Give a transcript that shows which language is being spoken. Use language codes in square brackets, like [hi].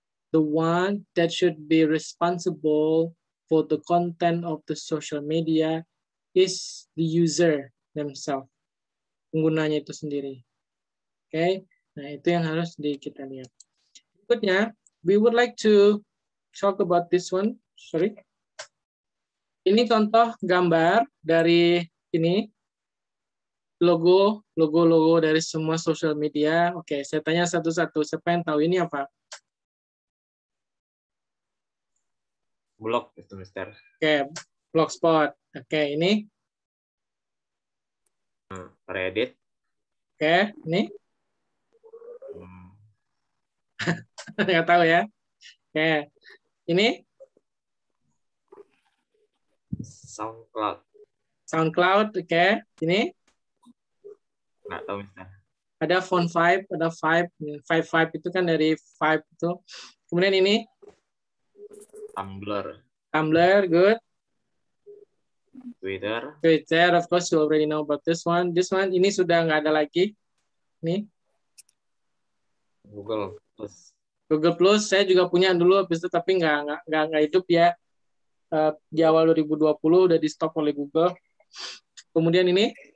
[en] The one that should be responsible for the content of the social media is the user themselves. [id] Penggunanya itu sendiri. Oke, nah itu yang harus kita lihat. [en] Berikutnya, we would like to talk about this one. Sorry. [id] Ini contoh gambar dari ini. Logo dari semua social media. Oke, saya tanya satu-satu. Siapa yang tahu ini apa? Blog itu, Mister. Oke, Blogspot. Oke, ini? Reddit. Oke, ini? Nggak tahu ya. Oke, ini? SoundCloud. SoundCloud, oke. Ini? Nggak tahu, Mister. Ada Phone 5, ada Vibe. Vibe itu kan dari Vibe itu. Kemudian ini? Tumblr. [en] Tumblr, good. Twitter. Twitter, of course you already know about this one. This one, [id] ini sudah nggak ada lagi. Ini. Google Plus. Google Plus, saya juga punya dulu, habis itu, tapi nggak hidup ya. Di awal 2020 udah di stop oleh Google. Kemudian ini.